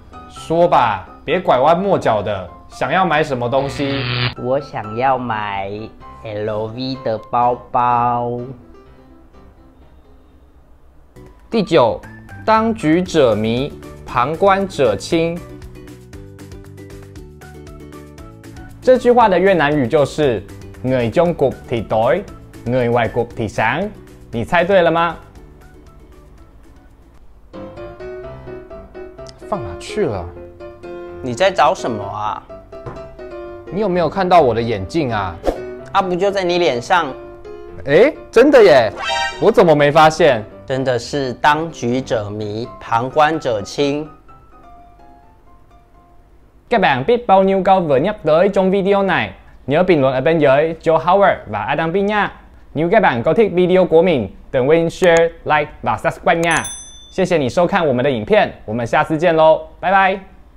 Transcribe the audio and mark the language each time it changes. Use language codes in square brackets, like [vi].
[zh] 说吧，别拐弯抹角的，想要买什么东西？我想要买LV 的包包。第九，当局者迷，旁观者清。这句话的越南语就是 [vi] người Trung Quốc thì tối, người ngoài quốc thì sáng。 [zh] 你猜对了吗？放哪去了？你在找什么啊？你有没有看到我的眼镜啊？它不就在你脸上？欸，真的耶，我怎么没发现？真的是当局者迷，旁观者清。 [vi] Các bạn biết bao nhiêu câu vừa nhắc tới trong video này? Nhớ bình luận ở bên dưới cho Howard và Adam biết nha. Nếu các bạn có thích video của mình, đừng quên share, like và subscribe nha. [zh] 谢谢你收看我们的影片，我们下次见咯，拜拜。